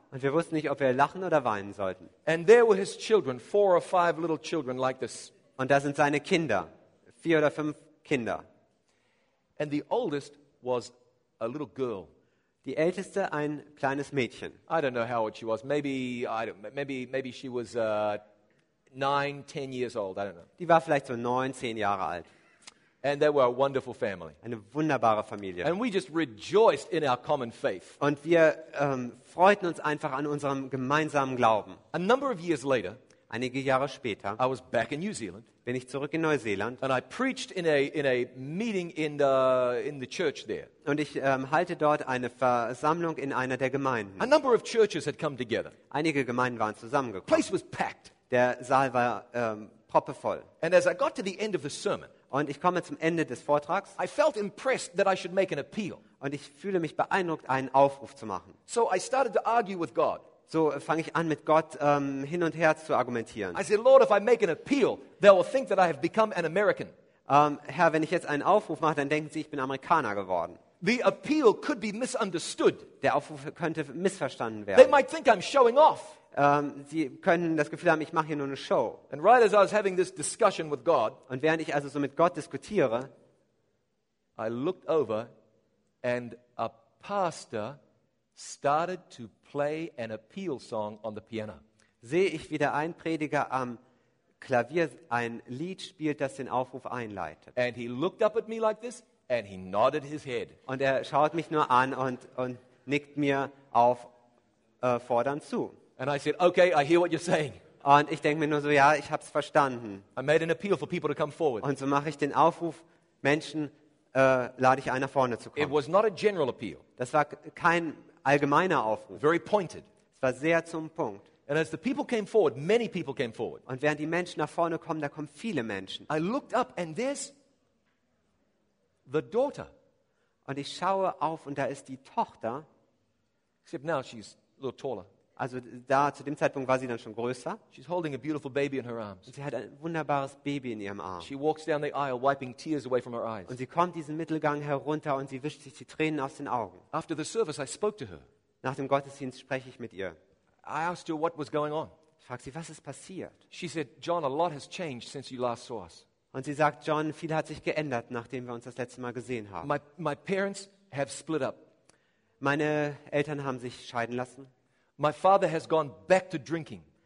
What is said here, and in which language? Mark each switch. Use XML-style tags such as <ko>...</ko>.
<de>Und wir wussten nicht, ob wir lachen oder weinen sollten.</de> <en>And there were his children, four or five little children like this.</en> <de>Und da sind seine Kinder, vier oder fünf Kinder.</de> <en>And the oldest was a little girl.</en> <de>Die älteste ein kleines Mädchen.</de> <en>I don't know how old she was. Maybe she was 9, 10 years old. I don't know.</en> <de>Die war vielleicht so 9, 10 Jahre alt.</de> <en>And they were a wonderful family.</en> <de>Eine wunderbare Familie.</de> <en>And we just rejoiced in our common faith.</en> <de>Und wir freuten uns einfach an unserem gemeinsamen Glauben.</de> <en>A number of years later,</en> <de>einige Jahre später,</de> <en>I was back in New Zealand.</en> <de>Bin ich zurück in Neuseeland.</de> <en>And I preached in a meeting in the church there.</en> <de>Und ich halte dort eine Versammlung in einer der Gemeinden.</de> <en>A number of churches had come together.</en> <de>Einige Gemeinden waren zusammengekommen.</de> <en>Place was packed.</en> <de>Der Saal war proppevoll.</de> <en>And as I got to the end of the sermon,</en> <de>und ich komme zum Ende des Vortrags.</de> <en>I felt impressed that I should make an appeal.</en> <de>Und ich fühle mich beeindruckt, einen Aufruf zu machen.</de> <en>So I started to argue with God.</en> <de>So fange ich an, mit Gott hin und her zu argumentieren.</de> <en>I said, "Lord, if I make an appeal, they will think that I have become an American."</en> <de>Herr, wenn ich jetzt einen Aufruf mache, dann denken sie, ich bin Amerikaner geworden.</de> <en>The appeal could be misunderstood.</en> <de>Der Aufruf könnte missverstanden werden.</de> <en>They might think I'm showing off.</en> <de>Sie können das Gefühl haben, ich mache hier nur eine Show.</de> <en>And right as I was having this discussion with God,</en> <de>und während ich also so mit Gott diskutiere,</de> <en>I looked over and a pastor started to play an appeal song on the piano.</en> <de>Sehe ich, wie der ein Prediger am Klavier ein Lied spielt, das den Aufruf einleitet.</de> <en>And he looked up at me like this and he nodded his head.</en> <de>Und er schaut mich nur an und nickt mir auffordernd zu.</de> <en>And I said, "Okay, I hear what you're saying."</en> <de>Und ich denke mir nur so, ja, ich habe es verstanden.</de> <en>I made an appeal for people to come forward.</en> <de>Und so mache ich den Aufruf, Menschen lade ich ein, nach vorne zu kommen.</de> <en>It was not a general appeal.</en> <de>Das war kein allgemeiner Aufruf.</de> <en>Very pointed.</en> <de>Es war sehr zum Punkt.</de> <en>And as the people came forward, many people came forward.</en> <de>Und während die Menschen nach vorne kommen, da kommen viele Menschen.</de> <en>I looked up and there's the daughter.</en> <de>Und ich schaue auf und da ist die Tochter.</de> <en>Except now she's a little taller.</en> <de>Also da, zu dem Zeitpunkt war sie dann schon größer.</de> <en>She's holding a beautiful baby in her arms.</en> <de>Und sie hat ein wunderbares Baby in ihrem Arm.</de> <en>She walks down the aisle, wiping tears away from her eyes.</en> <de>Und sie kommt diesen Mittelgang herunter und sie wischt sich die Tränen aus den Augen.</de> <en>After the service, I spoke to her.</en> <de>Nach dem Gottesdienst spreche ich mit ihr.</de> <en>I asked her what was going on.</en> <de>Ich frage sie, was ist passiert?</de> <en>She said, John, a lot has changed since you last saw us.</en> <de>Und sie sagt, John, viel hat sich geändert, nachdem wir uns das letzte Mal gesehen haben.</de> <en>My parents have split up.</en> <de>Meine Eltern haben sich scheiden lassen.</de> <en>My father has gone back to drinking.</en>